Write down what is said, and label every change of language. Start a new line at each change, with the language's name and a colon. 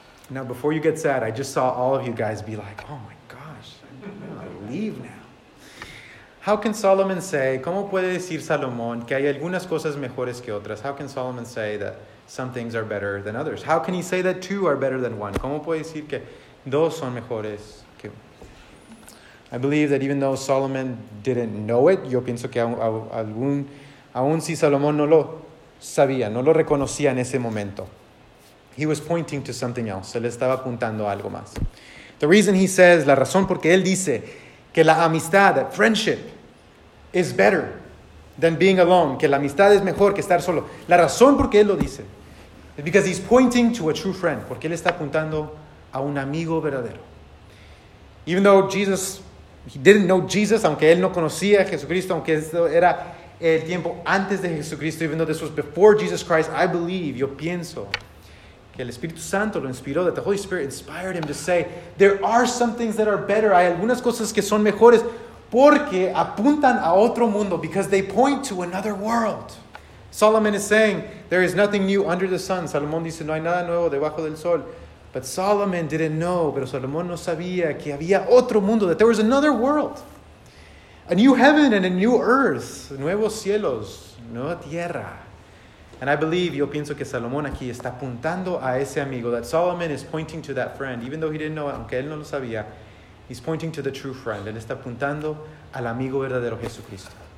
English: Now, before you get sad, I just saw all of you guys be like, oh my gosh, I'm gonna leave now. How can Solomon say,
Spanish: ¿cómo puede decir Salomón que hay algunas cosas mejores que otras?
English: How can Solomon say that some things are better than others? How can he say that two are better than one?
Spanish: ¿Cómo puede decir que dos son mejores que uno?
English: I believe that even though Solomon didn't know it,
Spanish: yo pienso que aun si Salomón no lo sabía, no lo reconocía en ese momento,
English: he was pointing to something else.
Spanish: Se le estaba apuntando a algo más.
English: The reason he says,
Spanish: la razón porque él dice que la amistad,
English: that friendship, is better than being alone.
Spanish: Que la amistad es mejor que estar solo. La razón por qué él lo dice
English: is because he's pointing to a true friend.
Spanish: Porque él está apuntando a un amigo verdadero.
English: Even though Jesus, he didn't know Jesus,
Spanish: aunque él no conocía a Jesucristo, aunque esto era el tiempo antes de Jesucristo,
English: even though this was before Jesus Christ, I believe,
Spanish: yo pienso, que el Espíritu Santo lo inspiró,
English: that the Holy Spirit inspired him to say, there are some things that are better,
Spanish: hay algunas cosas que son mejores, porque apuntan a otro mundo,
English: because they point to another world. Solomon is saying, there is nothing new under the sun.
Spanish: Salomón dice, no hay nada nuevo debajo del sol.
English: But Solomon didn't know,
Spanish: pero Salomón no sabía que había otro mundo,
English: that there was another world. A new heaven and a new earth,
Spanish: nuevos cielos, nueva tierra.
English: And I believe,
Spanish: yo pienso que Salomón aquí está apuntando a ese amigo,
English: that Solomon is pointing to that friend, even though he didn't know,
Spanish: aunque él no lo sabía,
English: he's pointing to the true friend,
Spanish: él está apuntando al amigo verdadero, Jesucristo.